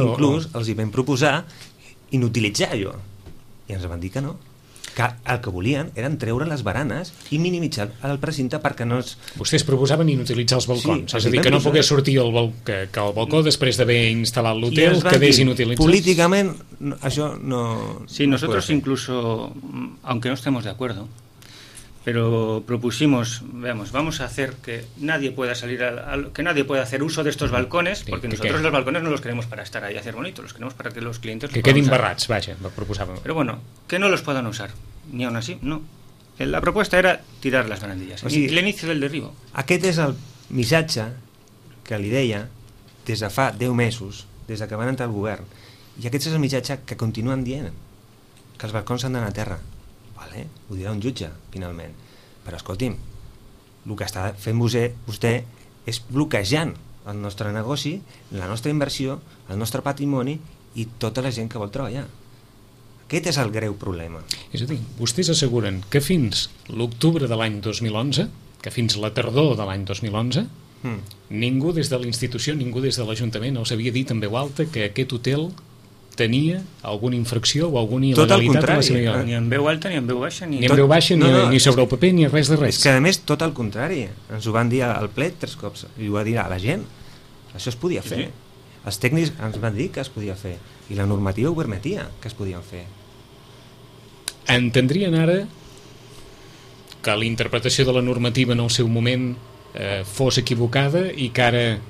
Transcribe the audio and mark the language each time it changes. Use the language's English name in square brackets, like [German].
[Catalan] Nosaltres inclús els hi vam proposar inutilitzar allò. I ens van dir que no. Que el que volien eren treure les baranes i minimitzar el precinte perquè no es... Vostès proposaven inutilitzar els balcons. Sí, és a dir, que no pogués sortir el balcó després d'haver instal·lat l'hotel, quedés inutilitzat. Políticament, això no... [Spanish] Sí, nosotros incluso, aunque no estemos de acuerdo... Pero propusimos, veamos, vamos a hacer que nadie pueda salir que nadie pueda hacer uso de estos balcones, porque nosotros los balcones no los queremos para estar ahí a hacer bonito, los queremos para que los clientes [Catalan] que queden barrats, vaja, [Spanish] propusábamos. Pero bueno, que no los puedan usar, ni aun así, no. La propuesta era tirar las barandillas, [Catalan] o sigui, l'inici del [Spanish] derribo. [Catalan] Aquest és el missatge que li deia des de fa 10 mesos, des de que van entrar al govern, i aquest és el missatge que continuen dient, que els balcons s'han d'anar a terra. Ho dirà un jutge, finalment. Però escolti'm, el que està fent vostè és bloquejant el nostre negoci, la nostra inversió, el nostre patrimoni i tota la gent que vol treballar. Aquest és el greu problema. És a dir, vostès asseguren que fins l'octubre de l'any 2011, que fins la tardor de l'any 2011, ningú des de l'institució, ningú des de l'Ajuntament els havia dit en veu alta que aquest hotel... tenia alguna infracció o alguna il·legalitat? Tot el contrari. Ni en veu alta, ni en veu baixa. Ni sobre el paper, ni res de res. És que, a més, tot el contrari. Ens ho van dir al ple tres cops. I ho va dir a la gent. Això es podia fer. Sí. Els tècnics ens van dir que es podia fer. I la normativa ho permetia, que es podien fer. Entendrien ara que la interpretació de la normativa en el seu moment fos equivocada i que ara...